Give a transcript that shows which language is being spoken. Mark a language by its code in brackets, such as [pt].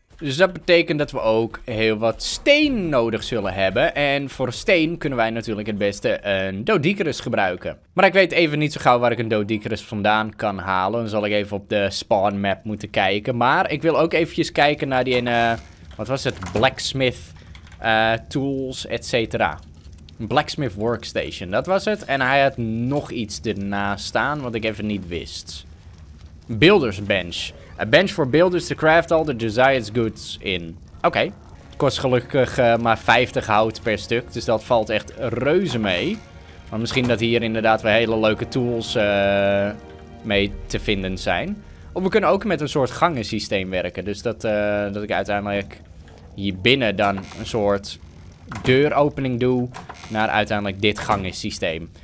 [nl] Dus dat betekent dat we ook heel wat steen nodig zullen hebben. En voor steen kunnen wij natuurlijk het beste een Dodicarus gebruiken. Maar ik weet even niet zo gauw waar ik een Dodicarus vandaan kan halen. Dan zal ik even op de spawn map moeten kijken. Maar ik wil ook eventjes kijken naar die ene, wat was het? [en] Blacksmith tools, et cetera. [nl] Blacksmith workstation, dat was het. En hij had nog iets ernaast staan, wat ik even niet wist. [en] Builders bench. A bench for builders to craft all the desired goods in. [nl] Oké. Okay. Kost gelukkig maar 50 hout per stuk. Dus dat valt echt reuze mee. Maar misschien dat hier inderdaad wel hele leuke tools mee te vinden zijn. Of we kunnen ook met een soort gangensysteem werken. Dus dat, dat ik uiteindelijk hier binnen dan een soort deuropening doe naar uiteindelijk dit gangensysteem.